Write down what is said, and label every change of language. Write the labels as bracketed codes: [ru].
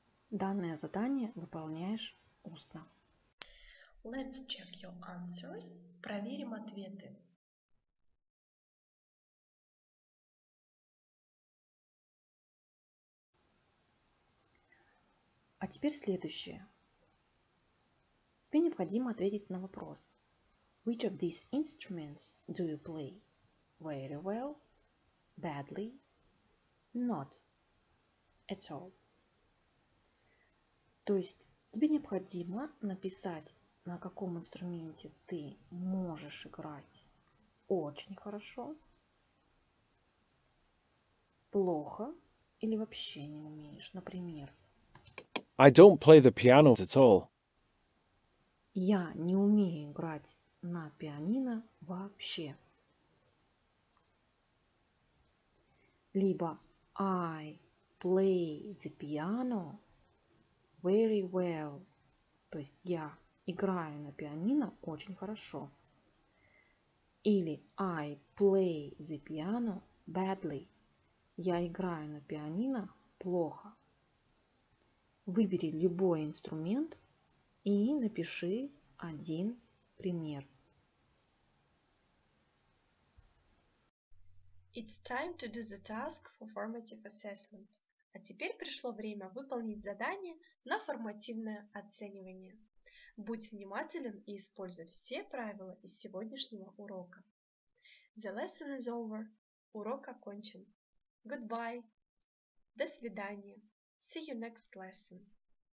[ru] Данное задание выполняешь устно. [en] Let's check your answers. [ru] Проверим ответы. А теперь следующее. Тебе необходимо ответить на вопрос. [en] Which of these instruments do you play? Very well? Badly? Not at all. [ru] То есть тебе необходимо написать, на каком инструменте ты можешь играть очень хорошо, плохо или вообще не умеешь. Например, [en] I don't play the piano at all. [ru] Я не умею играть на пианино вообще. Либо [en] I play the piano very well. [ru] То есть я играю на пианино очень хорошо. Или [en] I play the piano badly. [ru] Я играю на пианино плохо. Выбери любой инструмент и напиши один пример. [en] It's time to do the task for formative assessment. [ru] А теперь пришло время выполнить задание на формативное оценивание. Будь внимателен и используй все правила из сегодняшнего урока. [en] The lesson is over. [ru] Урок окончен. [en] Goodbye. [ru] До свидания. [en] See you next lesson.